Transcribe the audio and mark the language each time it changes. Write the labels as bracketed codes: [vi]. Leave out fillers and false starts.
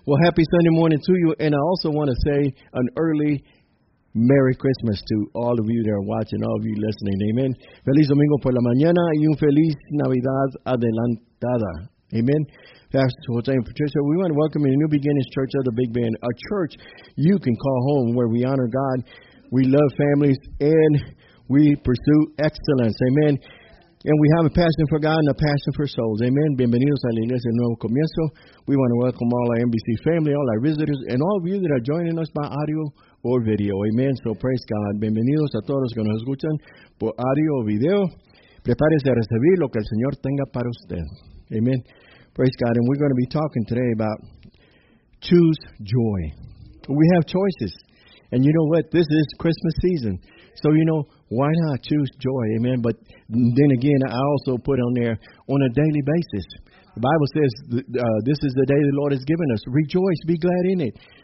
[en] Well, happy Sunday morning to you, and I also want to say an early Merry Christmas to all of you that are watching, all of you listening. Amen. [es] Feliz Domingo por la mañana y un feliz Navidad adelantada. [en] Amen. Pastor Jose and Patricia, we want to welcome you to New Beginnings Church of the Big Bend, a church you can call home where we honor God, we love families, and we pursue excellence. Amen. And we have a passion for God and a passion for souls. Amen. [es] Bienvenidos a la Iglesia Nuevo Comienzo. [en] We want to welcome all our NBC family, all our visitors, and all of you that are joining us by audio or video. Amen. So praise God. [es] Bienvenidos a todos que nos escuchan por audio o video. Prepárese a recibir lo que el Señor tenga para usted. [en] Amen. Praise God. And we're going to be talking today about choose joy. We have choices. And you know what? This is Christmas season. So, you know, why not choose joy? Amen. But then again, I also put on there on a daily basis. The Bible says this is the day the Lord has given us. Rejoice. Be glad in it.